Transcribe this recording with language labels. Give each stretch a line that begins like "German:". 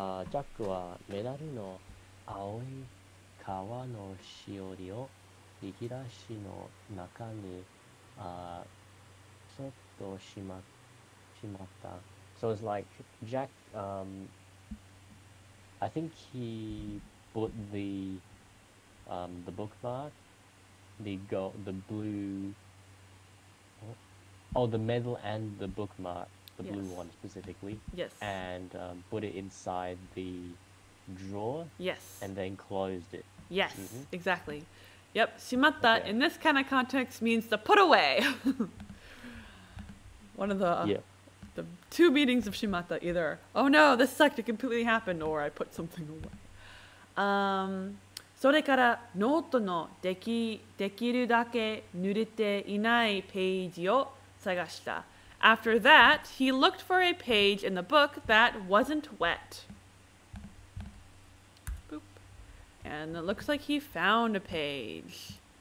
Japanese: Jack はメダルの青い皮のしおりを引き出しの中にそっとしまった。
English: So it's like Jack, I think he put the bookmark, the blue. Oh, the medal and the bookmark, the blue one specifically. Yes. And put it inside the drawer. Yes. And then closed it. Yes, exactly. Yep, shimatta, okay. In this kind of context, means to put away. One of the two meanings of shimatta, either, oh no, this sucked, it completely happened, or I put something away.
Japanese: それからノートのできるだけ濡れていないページを探した。
English: After that, he looked for a page in the book that wasn't wet. Boop. And it looks like he found a page.